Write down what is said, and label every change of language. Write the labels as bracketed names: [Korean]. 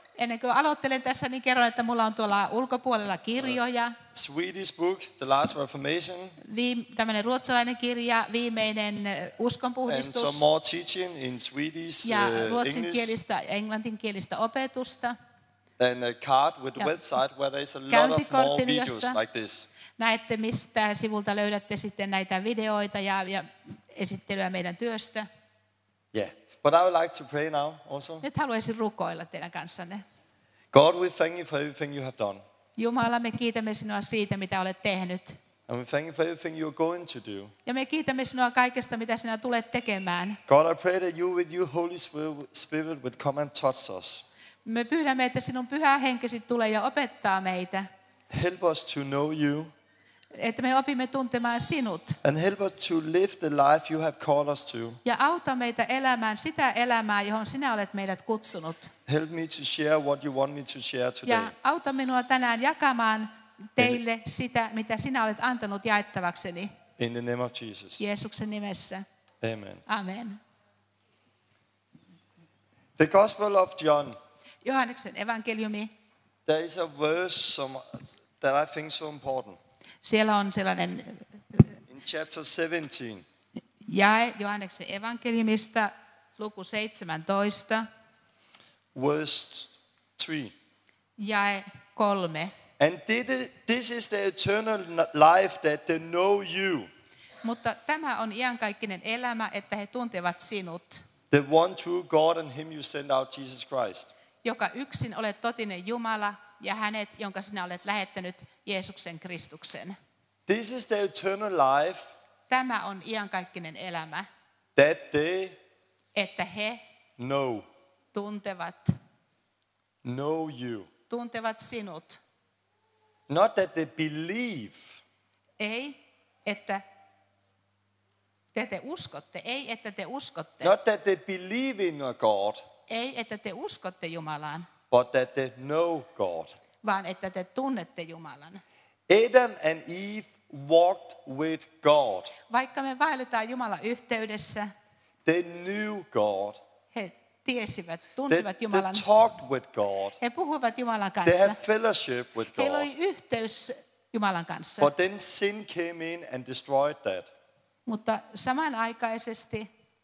[Finnish] Ennen kuin aloittelen tässä, niin kerron, että mulla on tuolla ulkopuolella kirjoja. [English] Swedish book, The Last Reformation. [Finnish] Tämmöinen ruotsalainen kirja, viimeinen uskonpuhdistus. [English] And some more teaching in Swedish, [Finnish] ja ruotsinkielistä, englantinkielistä opetusta. [English] And a card with the website where there is a lot of more videos like this. [Finnish] Näette, mistä sivulta löydätte sitten näitä videoita ja esittelyä meidän työstä. [English] Yeah, but I would like to pray now also. [Finnish] Nyt haluaisin rukoilla teidän kanssanne. [English] God, we thank you for everything you have done. [Finnish] Jumala, me kiitämme sinua siitä, mitä olet tehnyt. [English] And we thank you for everything you are going to do. [Finnish] Ja me kiitämme sinua kaikesta, mitä sinä tulet tekemään. [English] God, I pray that you with your Holy Spirit would come and touch us. [Finnish] Me pyydämme, että sinun pyhä henkesi tulee ja opettaa meitä. [English] Help us to know you. [Finnish] Että me opimme tuntemaan sinut. [English] And help us to live the life you have called us to. [Finnish] Ja auta meitä elämään sitä elämää, johon sinä olet meidät kutsunut. [English] Help me to share what you want me to share today. [Finnish] Ja auta minua tänään jakamaan teille sitä, mitä sinä olet antanut jaettavakseni. [English] In the name of Jesus. [Finnish] Jeesuksen nimessä. [English] Amen. [Finnish] Amen. [English] The Gospel of John. [Finnish] Johanneksen evankeliumi. [English] There is a verse that I think is so important. [Finnish] Siellä on sellainen [English] in chapter 17. [Finnish] Jae Johanneksen evankeliumista luku 17. [English] Verse 3. [Finnish] Jae 3. [English] And this is the eternal life that they know you. [Finnish] Mutta tämä on iankaikkinen elämä, että he tuntevat sinut. [English] The one true God and him you send out, Jesus Christ. [Finnish] Joka yksin olet totinen Jumala ja hänet, jonka sinä olet lähettänyt Jeesuksen Kristuksen. [English] This is the eternal life. [Finnish] Tämä on iankaikkinen elämä. [English] That they [Finnish] että he [English] know. [Finnish] Tuntevat. [English] Know you. [Finnish] Tuntevat sinut. [English] Not that they believe. [Finnish] Ei, että te uskotte. Ei, että te uskotte. [English] Not that they believe in a God. [Finnish] Ei, että te uskotte Jumalaan. [English] But that they know God. [Finnish] Vaan, että te tunnette Jumalan. [English] Adam and Eve walked with God. [Finnish] Vaikka me vaelletaan Jumalan yhteydessä. [English] They knew God. [Finnish] He tiesivät, tunsivat Jumalan. [English] They talked with God. [Finnish] He puhuivat Jumalan kanssa. [English] They had fellowship with God. [Finnish] Heillä oli yhteys Jumalan kanssa. [English] But then sin came in and destroyed that. [Finnish] Mutta samanaikaisesti.